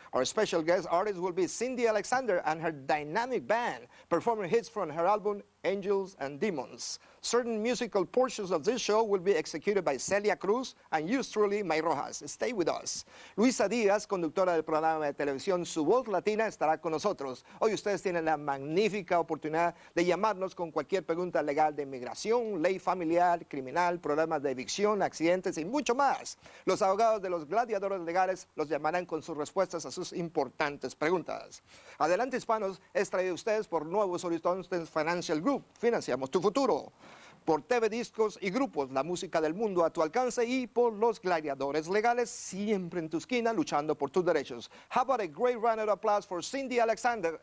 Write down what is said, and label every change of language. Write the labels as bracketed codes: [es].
[en] Our special guest artist will be Cindy Alexander and her dynamic band, performing hits from her album, Angels and Demons. Certain musical portions of this show will be executed by Celia Cruz and yours truly, Mike Rojas. Stay with us. [es] Luisa Díaz, conductora del programa de televisión Su Voz Latina, estará con nosotros. Hoy ustedes tienen la magnífica oportunidad de llamarnos con cualquier pregunta legal de inmigración, ley familiar, criminal, problemas de evicción, accidentes y mucho más. Los abogados de los gladiadores legales los llamarán con sus respuestas a sus importantes preguntas. Adelante Hispanos es traído a ustedes por Nuevos Horizontes Financial Group. Financiamos tu futuro. Por TV Discos y Grupos, la música del mundo a tu alcance y por los gladiadores legales, siempre en tu esquina, luchando por tus derechos. [en] How about a great round of applause for Cindy Alexander?